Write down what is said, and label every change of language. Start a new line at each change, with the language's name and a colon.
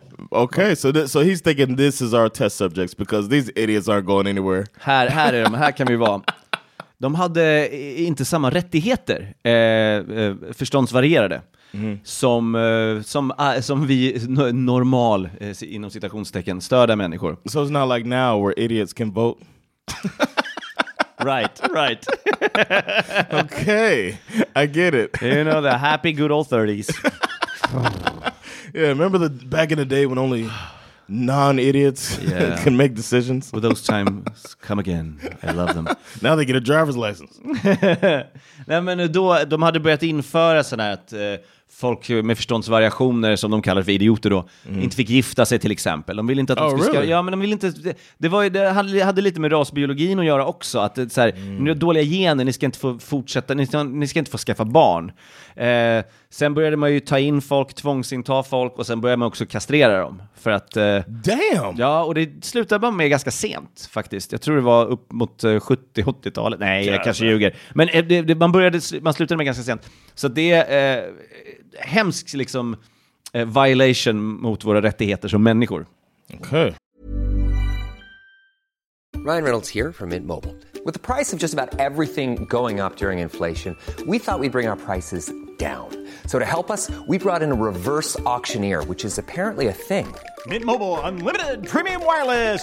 English: Okay, so so he's thinking this is our test subjects because these idiots aren't going anywhere.
Swedish: Här är de, här kan vi vara. De hade inte samma rättigheter, förståndsvarierade, som vi normal, inom citationstecken, störda människor.
English: So it's not like now where idiots can vote. Right. Okay, I get it. You know, the happy good old 30s. Yeah, remember the back in the day when only non-idiots can make decisions? Well, those times come again. I love them. Now they get a driver's license.
Swedish: Nej, men då, de hade börjat införa sådana här att folk med förståndsvariationer, som de kallar för idioter då, inte fick gifta sig till exempel. De ville inte att de skulle...
English: Really?
Swedish: Ja, men de ville inte... Det hade lite med rasbiologin att göra också. Att det, så här, ni har dåliga gener, ni ska inte få fortsätta, ni ska inte få skaffa barn. Sen började man ju ta in folk, tvångsinta folk, och sen började man också kastrera dem. För att...
English: Damn!
Swedish: Ja, och det slutade man med ganska sent faktiskt. Jag tror det var upp mot 70-80-talet. Nej, jag kanske ljuger. Men man slutade med ganska sent. Så det... hemskt liksom violation mot våra rättigheter som människor.
English: Okay. Ryan Reynolds here from Mint Mobile. With the price of just about everything going up during inflation, we thought we'd bring our prices down. So to help us, we brought in a reverse auctioneer, which is apparently a thing. Mint Mobile Unlimited Premium Wireless.